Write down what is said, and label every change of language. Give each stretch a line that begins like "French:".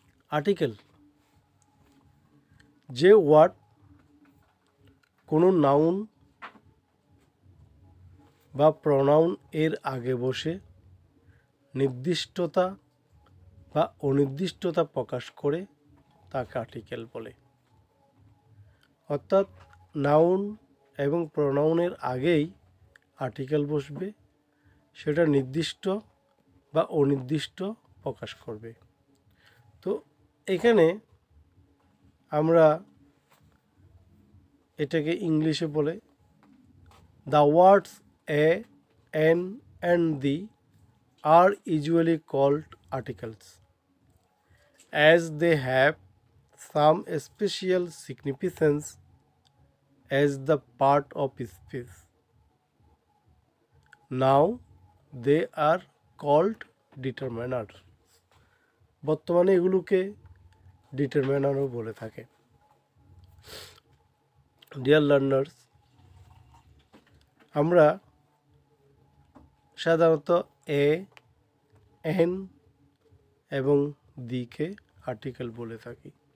Bangla: Article, je word kono noun ba pronoun er age boshe nirdishtota বা অনির্দিষ্টতা প্রকাশ করে তাকে article বলে। অর্থাৎ নাউন এবং প্রোনাউনের আগেই আর্টিকেল বসবে, সেটা নির্দিষ্ট বা অনির্দিষ্ট প্রকাশ করবে। তো এখানে আমরা এটাকে ইংলিশে বলে
English: The words a an and the are usually called articles as they have some special significance as the part of speech. Now they are called determiners.
Bangla: বর্তমানে এগুলোকে ডিটারমিনারও বলে থাকে।
English: Dear learners,
Bangla: আমরা সাধারণত এ এন এবং দিকে আর্টিকেল বলে থাকি।